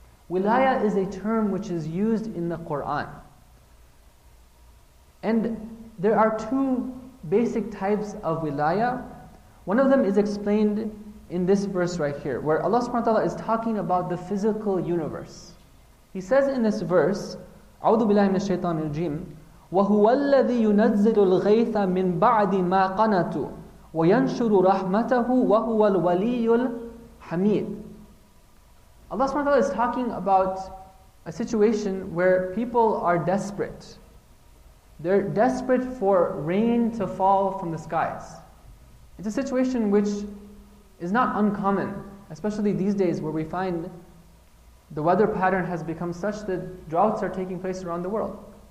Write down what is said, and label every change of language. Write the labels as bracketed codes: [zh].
[en] Wilaya is a term which is used in the Quran. And there are two basic types of wilaya. One of them is explained in this verse right here, where Allah subhanahu wa ta'ala is talking about the physical universe. He says in this verse, [ar] أعوذ بالله من الشيطان الرجيم وهو الذي ينزل الغيث من بعد ما قنطوا وينشر رحمته وهو الولي الحميد. [en] Allah subhanahu wa ta'ala is talking about a situation where people are desperate. They're desperate for rain to fall from the skies. It's a situation which is not uncommon, especially these days where we find the weather pattern has become such that droughts are taking place around the world.